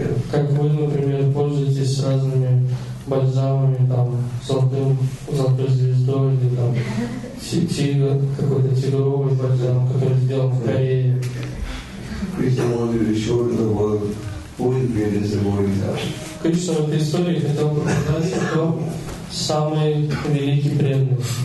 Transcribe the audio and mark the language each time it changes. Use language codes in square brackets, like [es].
[ru] Как вы, например, пользуетесь разными бальзамами, там, золотой звездой, или там, тигр, какой-то тигровый бальзам, который сделан в Корее. [en] Кришна wanted to show the world who is greatest devotee. [ru] Кришна в этой истории хотел показать, кто самый великий преданный.